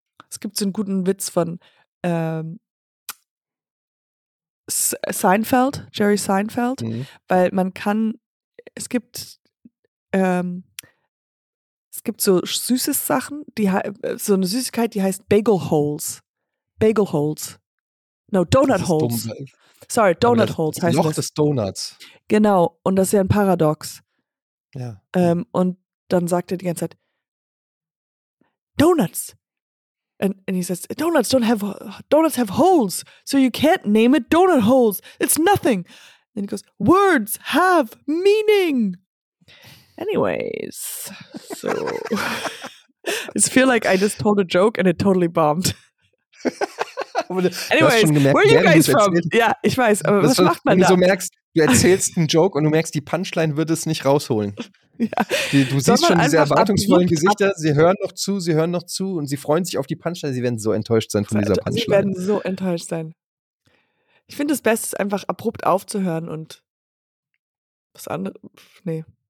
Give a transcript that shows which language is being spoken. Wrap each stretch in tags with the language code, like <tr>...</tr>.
<de>Es gibt so einen guten Witz von Seinfeld, Jerry Seinfeld, weil es gibt so süße Sachen, so eine Süßigkeit, die heißt Bagel Holes. Bagel Holes. No, Donut Holes. Sorry, Donut Holes heißt das. Loch des Donuts. Genau, und das ist ja ein Paradox. Ja. Und dann sagt er die ganze Zeit, Donuts.</de> <en>And he says, donuts have holes, so you can't name it donut holes. It's nothing. And he goes, words have meaning. Anyways, so I just feel like I just told a joke and it totally bombed. Anyways, where are you guys from?</en> <de>Ja, ich weiß, aber was macht man da? So merkst, du erzählst einen Joke und du merkst, die Punchline wird es nicht rausholen. Ja. Du siehst schon diese erwartungsvollen Gesichter, sie hören noch zu und sie freuen sich auf die Punchline. Sie werden so enttäuscht sein von dieser Punchline. Sie werden so enttäuscht sein. Ich finde, das Beste ist einfach abrupt aufzuhören und was andere. Nee.</de>